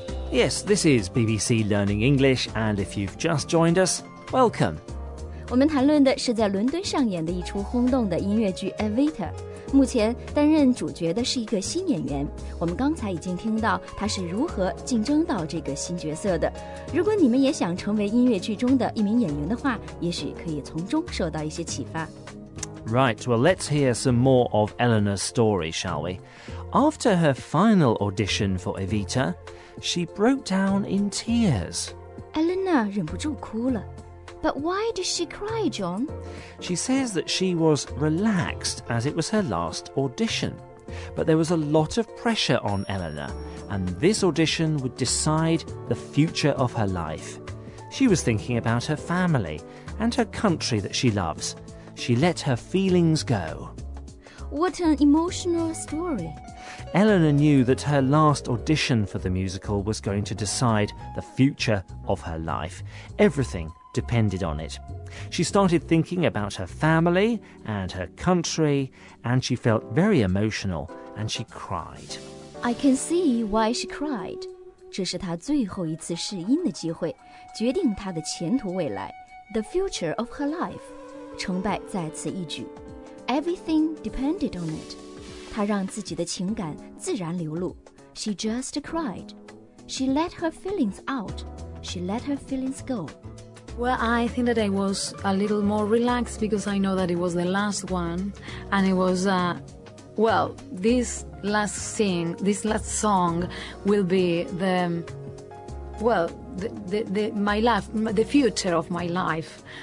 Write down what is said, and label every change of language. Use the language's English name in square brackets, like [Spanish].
[English] Yes, this is BBC Learning English, and if you've just joined us, welcome. [Chinese] 我们谈论的是在伦敦上演的一出轰动的音乐剧《Evita》。目前担任主角的是一个新演员。我们刚才已经听到他是如何竞争到这个新角色的。如果你们也想成为音乐剧中的一名演员的话，也许可以从中受到一些启发。 [English] Right, well, let's hear some more of Eleanor's story, shall we? After her final audition for Evita... She broke down in tears. [Chinese] Elena 忍不住哭了。 [English] But why did she cry, John? She says that she was relaxed as it was her last audition. But there was a lot of pressure on Elena, and this audition would decide the future of her life. She was thinking about her family and her country that she loves. She let her feelings go. What an emotional story. Eleanor knew that her last audition for the musical was going to decide the future of her life. Everything depended on it. She started thinking about her family and her country, and she felt very emotional, and she cried. I can see why she cried. [Chinese] 这是她最后一次试音的机会，决定她的前途未来。 [English] The future of her life. [Chinese] 成败在此一举。 [English] Everything depended on it. [Chinese] 她让自己的情感自然流露。 [English] She just cried. She let her feelings out. She let her feelings go. Well, I think that I was a little more relaxed because I know that it was the last one. And it was, this last song will be the future of my life.